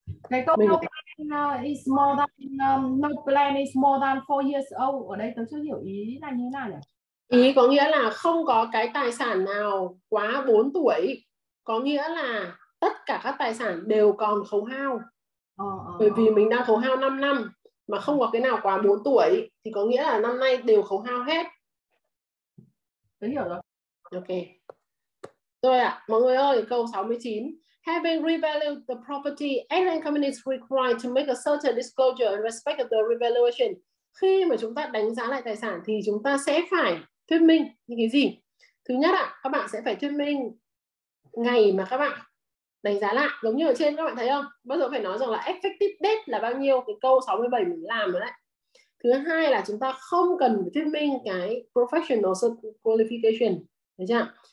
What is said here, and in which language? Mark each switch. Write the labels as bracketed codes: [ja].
[vi] Cái câu [en] no plan is more than no plan is more than 4 years old. [vi] Ở đây tớ chưa hiểu ý là như thế nào nhỉ? Ý có nghĩa là không có cái tài sản nào quá 4 tuổi. Có nghĩa là tất cả các tài sản đều còn khấu hao. Bởi vì mình đang khấu hao 5 năm mà không có cái nào quá 4 tuổi thì có nghĩa là năm nay đều khấu hao hết. Tớ hiểu rồi. Ok. Rồi ạ, mọi người ơi, câu 69. [en] Having revalued the property, airline company is required to make a certain disclosure in respect of the revaluation. [vi] khi mà chúng ta đánh giá lại tài sản thì chúng ta sẽ phải thuyết minh những cái gì? Thứ nhất ạ, các bạn sẽ phải thuyết minh ngày mà các bạn đánh giá lại, giống như ở trên các bạn thấy không? Bây giờ phải nói rằng là effective date là bao nhiêu, cái câu 67 mình làm rồi đấy. Thứ hai là chúng ta không cần thuyết minh cái professional qualification, được chưa?